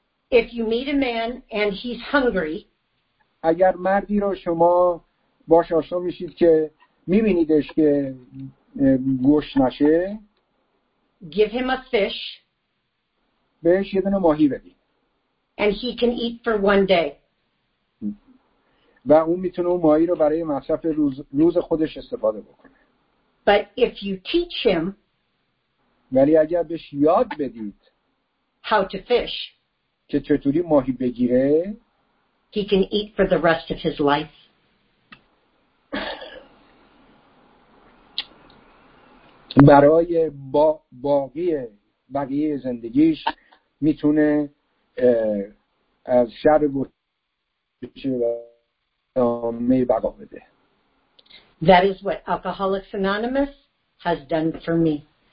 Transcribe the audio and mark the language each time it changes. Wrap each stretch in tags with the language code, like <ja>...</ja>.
<en>If you meet a man and he's hungry,</en> <fa>اگر مردی رو شما باش آشنا میشید که میبینیدش که گشنشه,</fa> <en>give him a fish,</en> <fa>بهش یه دونه ماهی بدید,</fa> <en>and he can eat for one day,</en> <fa>و اون میتونه اون ماهی رو برای مصرف روز خودش استفاده بکنه.</fa> <en>But if you teach him,</en> <fa>ولی اگر بهش یاد بدید</fa> <en>how to fish,</en> <fa>که چطوری ماهی بگیره,</fa> <en>he can eat for the rest of his life.</en> <fa>برای باقی بقیه زندگیش میتونه از شر گوشه می بقا بده.</fa> <en>That is what Alcoholics Anonymous has done for me.</en>